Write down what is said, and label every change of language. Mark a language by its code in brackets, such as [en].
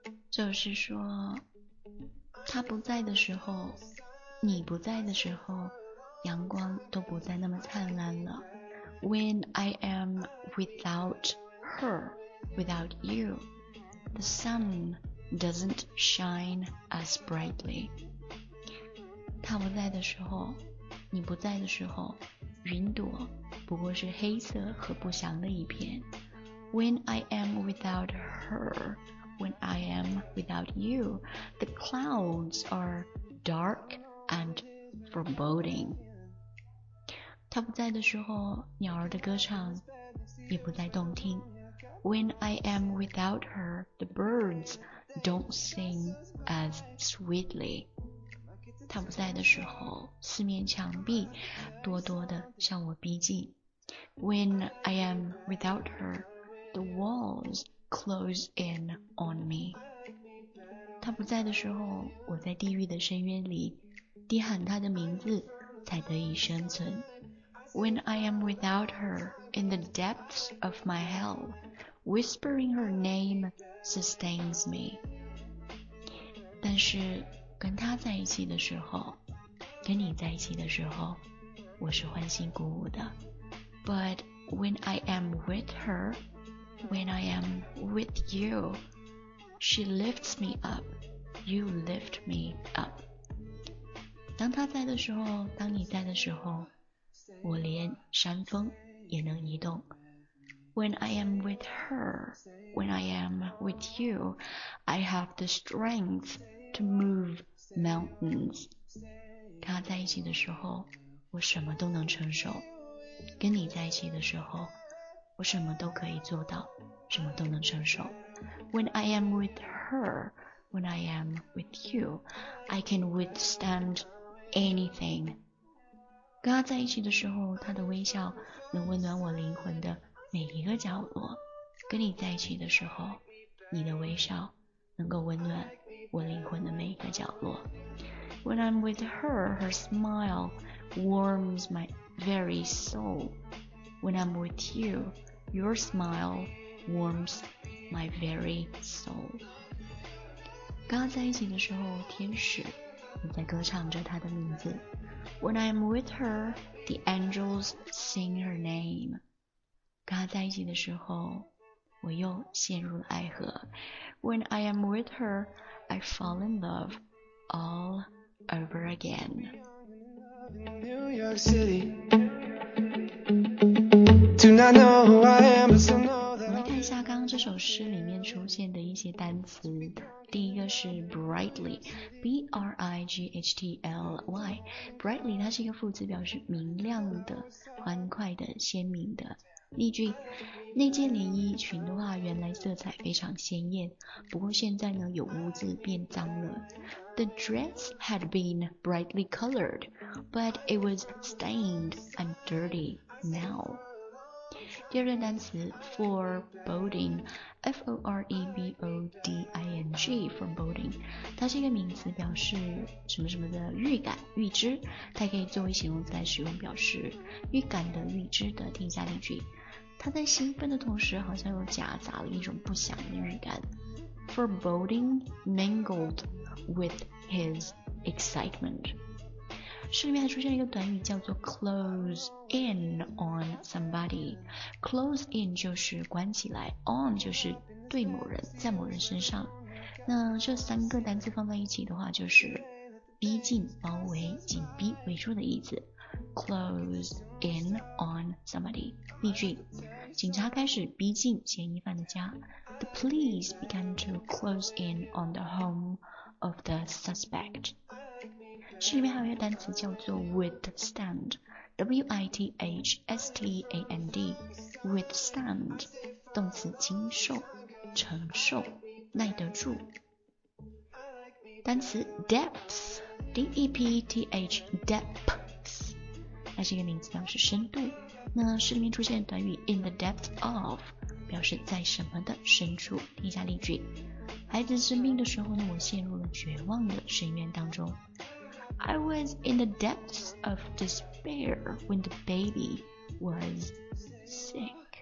[zh] 就是说，他不在的时候，你不在的时候，阳光都不再那么灿烂了。 [en] When I am without her, without you, the sun doesn't shine as brightly. [zh] 他不在的时候，你不在的时候，云朵不过是黑色和不祥的一片。 [en] When I am without her, when I am without you. The clouds are dark and foreboding. [zh] 他不在的时候，鸟儿的歌唱也不再动听。 [en] When I am without her, the birds don't sing as sweetly. [zh] 她不在的时候，四面墙壁多多地向我逼近。 [en] When I am without her, the walls close in on me. [zh] 她不在的时候，我在地狱的深渊里，低喊她的名字才得以生存。 [en] When I am without her, in the depths of my hell, whispering her name sustains me. [zh] 但是跟她在一起的时候，跟你在一起的时候，我是欢欣鼓舞的。 [en] But when I am with her, when I am with you, she lifts me up, you lift me up. [zh] 当她在的时候，当你在的时候，我连山峰也能移动。 [en] When I am with her, when I am with you, I have the strength to move mountains. [zh] 跟他在一起的时候，我什么都能承受。跟你在一起的时候，我什么都可以做到，什么都能承受。 [en] When I am with her, when I am with you, I can withstand anything. [zh] 跟他在一起的时候，他的微笑能温暖我灵魂的每一个角落。跟你在一起的时候，你的微笑能够温暖我灵魂的每一个角落。 [en] When I'm with her, her smile warms my very soul. When I'm with you, your smile warms my very soul. [zh] 跟他在一起的时候，天使你在歌唱着他的名字。 [en] When I am with her, the angels sing her name. [zh] 跟她在一起的时候，我又陷入了爱河。 [en] When I am with her, I fall in love all over again. New York City. Do not know who I am, but some know that. [zh] 我们来看一下刚刚这首诗里面出现的一些单词。第一个是 brightly, B-R-I-G-H-T-L-Y, brightly 它是一个副词，表示明亮的、欢快的、鲜明的。例句，那件连衣裙的话原来色彩非常鲜艳，不过现在呢有污渍变脏了。 [en] The dress had been brightly colored, but it was stained and dirty now. [zh] 第二个单词 foreboding, F-O-R-E-B-O-D-I-N-G, foreboding, 它是一个名词，表示什么什么的预感、预知，它可以作为形容词来使用，表示预感的、预知的。听一下例句，他在兴奋的同时好像又夹杂了一种不祥的预感。 [en] foreboding mingled with his excitement. [zh] 诗里面还出现一个短语叫做 close in on somebody. Close in 就是关起来， on 就是对某人，在某人身上。那这三个单词放在一起的话，就是逼近、包围、紧逼、围住的意思。 [en] Close in on somebody. [zh] 例句，警察开始逼近嫌疑犯的家。 [en] The police began to close in on the home of the suspect. [zh] 诗里面还有一个单词叫做 withstand, W-I-T-H-S-T-A-N-D, withstand, 动词经受、承受、耐得住。单词 depths, D-E-P-T-H, depths, 那是一个名词，表示深度。那诗里面出现的短语 in the depth of, 表示在什么的深处。听一下例句，孩子生病的时候呢，我陷入了绝望的深渊当中。 [en] I was in the depths of despair when the baby was sick.